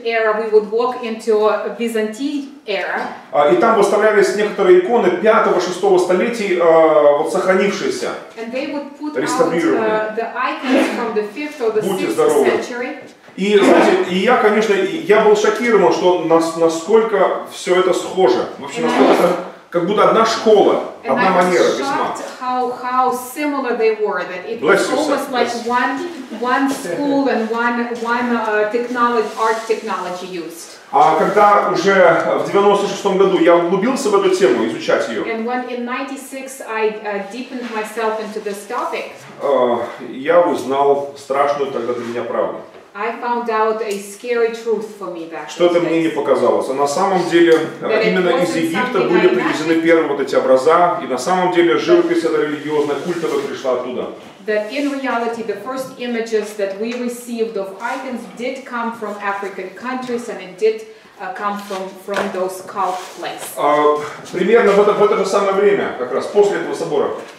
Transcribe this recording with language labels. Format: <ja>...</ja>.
<en>era, we would walk into a Byzantine era.</en> <ru>И там выставлялись некоторые иконы 5-6 столетий, вот сохранившиеся.</ru> <en>And they would put out the icons from the 5th or 6th century.</en> <ru>И, знаете, и я, конечно, я был шокирован, что насколько все это схоже. Вообще, насколько как будто одна школа, одна манера письма.</ru> <en>How similar they were, that it was almost like one school and one technology, art technology used.</en> <ru>А когда уже в 96 году я углубился в эту тему, изучать ее.</ru> <en>And when in 96 I deepened myself into this topic.</en> <ru>Я узнал страшную тогда для меня правду.</ru> <en>I found out a scary truth for me back.</en> <ru>Что-то мне не показалось. А на самом деле, именно из Египта были привезены первые вот эти образа, и на самом деле живопись эта религиозная, культовая пришла оттуда.</ru> <en>That in reality the first images that we received of icons did come from African countries and it did come from those cult places.</en> <ru>Примерно в это же самое время, как раз после этого собора.</ru>